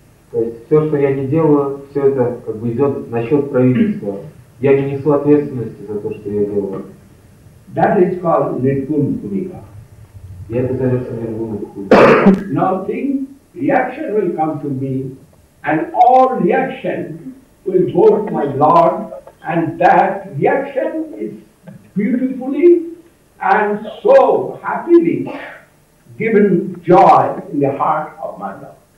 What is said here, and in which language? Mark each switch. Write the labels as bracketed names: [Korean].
[Russian] То есть все, что я не делаю, все это как бы идет на счет правительства. Я не несу ответственности за то, что я делаю. [English] That is called nirguna bhumika. [Russian] И это называется nirguna bhumika. [English] Nothing, reaction will come to me, and all reaction will go to my Lord, and that reaction is beautifully and so happily given joy in the heart of my Lord.